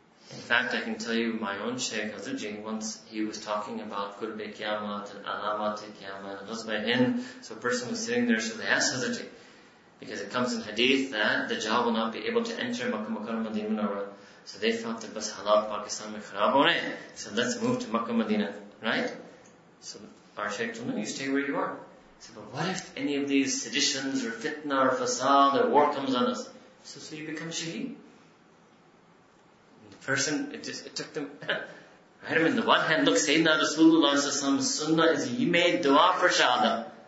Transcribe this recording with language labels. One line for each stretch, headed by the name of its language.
English: In fact, I can tell you my own Shaykh Hazrat Ji, once he was talking about Qurbi Qiyamah and Alamati Qiyamah and Ghazba Hind. So a person was sitting there, so they asked Hazrat Ji, because it comes in hadith that the Dajjal will not be able to enter Makkah, Makkah, Madinah, Munawwarah. So they felt that
Urdu: بس حالات پاکستان میں خراب ہو رہے ہیں.
English: So let's move to Makkah, Madinah, right? So our Shaykh told him, you stay where you are. So, but what if any of these seditions or fitna or fasad or war comes on us? So you become Shaheed. Person, it took them, right? I mean, on the one hand, look, Sayyidina Rasulullah's sunnah is, he made dua for shahada.